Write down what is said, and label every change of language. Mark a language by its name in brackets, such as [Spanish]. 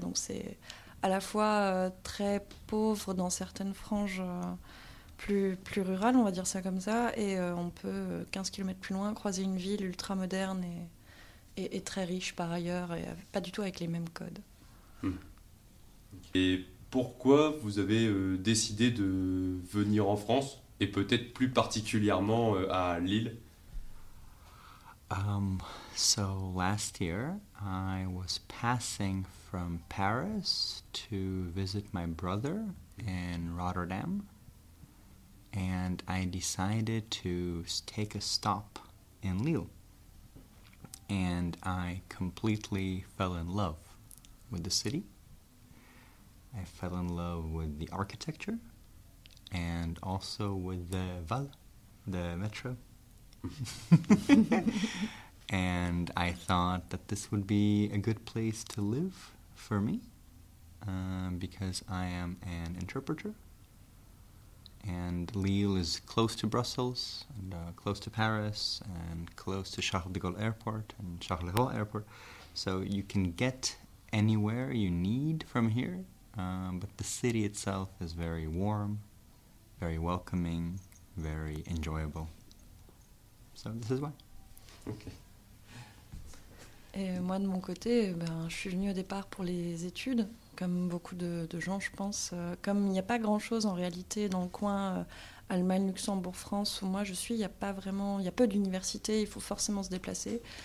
[French] Donc c'est à la fois très pauvre dans certaines franges plus rurales, on va dire ça comme ça, et on peut 15 km plus loin croiser une ville ultra moderne et très riche par ailleurs, et pas du tout avec les mêmes codes. Et pourquoi vous avez décidé de venir en France, et peut-être plus particulièrement à Lille? [English] So last year, I was passing from Paris to visit my brother in Rotterdam, and I decided to take a stop in Lille. And I completely fell in love with the city. I fell in love with the architecture and also with the Val, the metro. And I thought that this would be a good place to live for me because I am an interpreter. And Lille is close to Brussels, and close to Paris, and close to Charles de Gaulle Airport and Charles de Gaulle Airport. So you can get anywhere you need from here, but the city itself is very warm, very welcoming, very enjoyable. So this is why. Okay. [French] Et moi, de mon côté, je suis venue au départ pour les études. Comme beaucoup de gens, je pense. Comme il n'y a pas grand-chose en réalité dans le coin Allemagne, Luxembourg, France, où moi je suis, il y a peu d'universités, il faut forcément se déplacer.